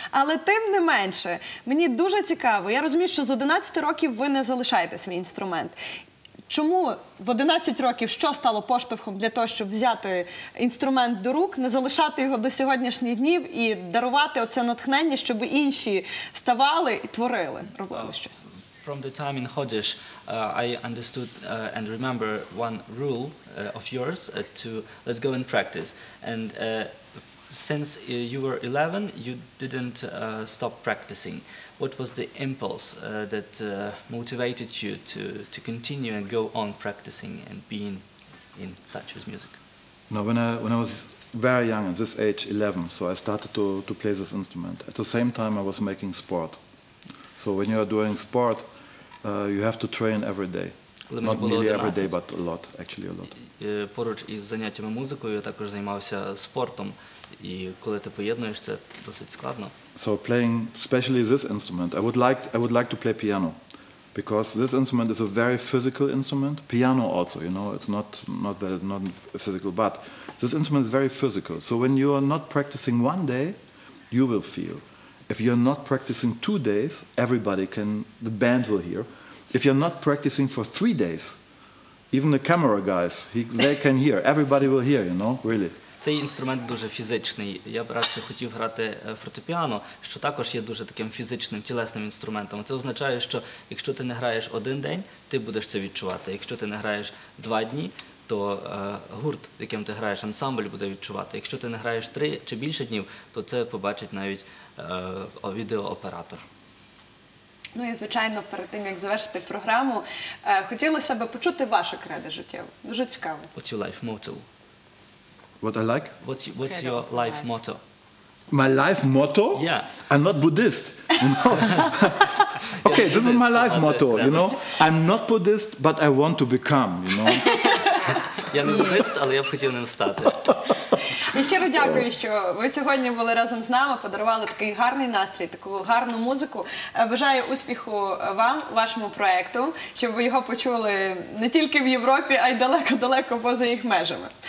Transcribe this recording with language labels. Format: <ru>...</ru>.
<uk>Але тим не менше, мені дуже цікаво, я розумію, що з 11 років ви не залишаєте свій інструмент. Чому в 11 років, що стало поштовхом для того, щоб взяти інструмент до рук, не залишати його до сьогоднішніх днів і дарувати оце натхнення, щоб інші ставали і творили, робили щось?</uk> <en>From the time in Chodzież, I understood and remember one rule of yours to let's go and practice. And since you were 11, you didn't stop practicing. What was the impulse that motivated you to continue and go on practicing and being in touch with music? No, when I was very young, at this age, 11, so I started to play this instrument. At the same time, I was making sport. So when you are doing sport, you have to train every day. Not nearly every day, but a lot, actually a lot.</en> <uk>Поруч із заняттями музикою, я також займався спортом. І коли ти поєднуєш це, досить складно.</uk> <en>So playing especially this instrument, I would like to play piano because this instrument is a very physical instrument. Piano also, you know, it's not that it's not physical, but this instrument is very physical. So when you are not practicing one day, you will feel. If you're not practicing 2 days, the band will hear. If you're not practicing for 3 days, even the camera guys, they can hear. Everybody will hear, you know, really.</en> <uk>цей інструмент дуже фізичний. Я б радше хотів грати фортепіано, що також є дуже таким фізичним, тілесним інструментом. Це означає, що якщо ти не граєш один день, ти будеш це відчувати. Якщо ти не граєш два дні, то гурт, яким ти граєш, ансамбль буде відчувати. Якщо ти не граєш три чи більше днів, то це побачить навіть відеооператор. Ну і, звичайно, перед тим, як завершити програму, хотілося б почути ваше кредо життєво. Дуже цікаво.</uk> <en>What's your life motto? What I like? What's your life motto? My life motto? Yeah. I'm not Buddhist. No. Okay, this is my life motto, you know. I'm not Buddhist, but I want to become, you know.</en> <uk>Я не буддист, але я б хотів ним стати. Я щиро дякую, що ви сьогодні були разом з нами, подарували такий гарний настрій, таку гарну музику. Бажаю успіху вам, вашому проєкту, щоб ви його почули не тільки в Європі, а й далеко-далеко поза їх межами.</uk>